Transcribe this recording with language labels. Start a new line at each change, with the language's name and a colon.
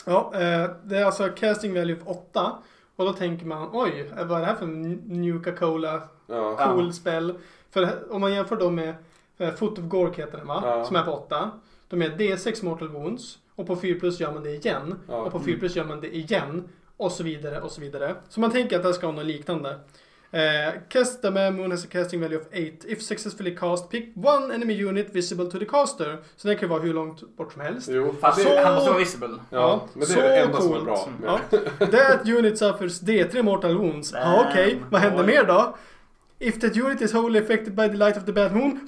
Swedish: Ja, det är alltså casting value 8. Och då tänker man, oj, vad är det här för Nuka-Cola? Ja. Cool spel. För om man jämför dem med Foot of Gork heter den, va? Ja. Som är på 8. De är D6 Mortal Wounds. Och på 4 plus gör man det igen. Ja. Och på 4 plus gör man det igen. Och så vidare, och så vidare. Så man tänker att det ska vara något liknande.
English: Cast the Moon has a casting value of 8. If successfully cast, pick one enemy unit visible to the caster.
Swedish: Så det kan vara hur långt bort som helst. Jo, fast så... han måste vara visible. Ja, men det är det enda coolt. Som är bra. Ja.
English: That unit suffers D3 mortal wounds.
Swedish: Ja, okej.
English: Okay.
Swedish: Vad händer mer då?
English: If that unit is wholly affected by the light of the bad moon.